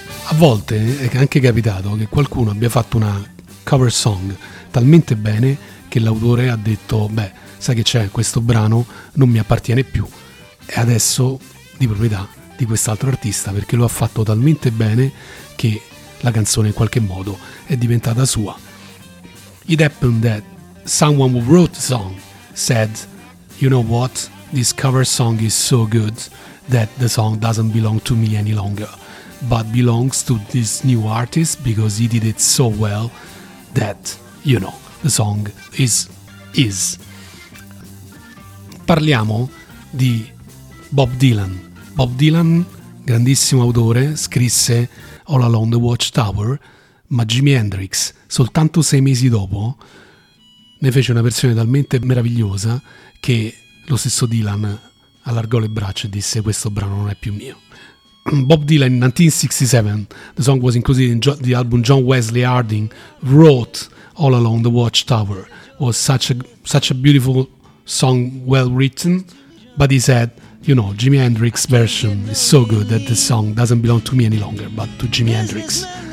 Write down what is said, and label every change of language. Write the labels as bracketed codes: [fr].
[it] A volte è anche capitato che qualcuno abbia fatto una cover song talmente bene che l'autore ha detto: beh, sai che c'è, questo brano non mi appartiene più, è adesso di proprietà di quest'altro artista perché lo ha fatto talmente bene che la canzone in qualche modo è diventata sua. [en] It happened that someone who wrote the song said, you know what, this cover song is so good that the song doesn't belong to me any longer, but belongs to this new artist because he did it so well that, you know, the song is. [it] Parliamo di Bob Dylan. Bob Dylan, grandissimo autore, scrisse All Along the Watchtower, ma Jimi Hendrix, soltanto sei mesi dopo, ne fece una versione talmente meravigliosa che lo stesso Dylan allargò le braccia e disse: questo brano non è più mio. [en] Bob Dylan, in 1967, the song was included in the album John Wesley Harding wrote All Along the Watchtower. It was such a beautiful song, well written, but he said, you know, Jimi Hendrix's version is so good that the song doesn't belong to me any longer, but to Jimi Hendrix.